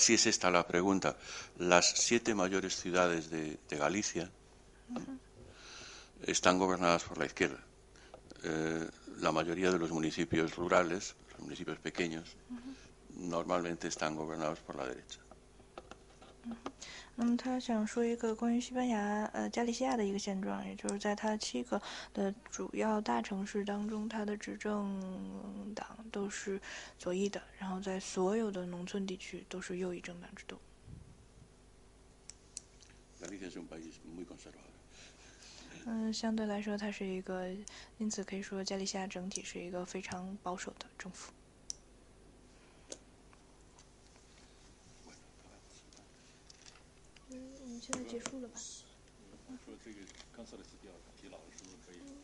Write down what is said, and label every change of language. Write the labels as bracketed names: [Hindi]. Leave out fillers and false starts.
[Spanish] Si es esta la pregunta, las siete mayores ciudades de Galicia están gobernadas por la izquierda. La mayoría de los municipios rurales, los municipios pequeños, normalmente están gobernados por la derecha. [Chinese] 那么他想说一个关于西班牙，加利西亚的一个现状，也就是在他七个的主要大城市当中，他的执政党都是左翼的，然后在所有的农村地区都是右翼政党制度。 [Spanish] Galicia es un país muy conservador. [Chinese] 相对来说，它是一个，因此可以说加利西亚整体是一个非常保守的政府。我们现在结束了吧？说这个刚才的是比较疲劳，是不是可以？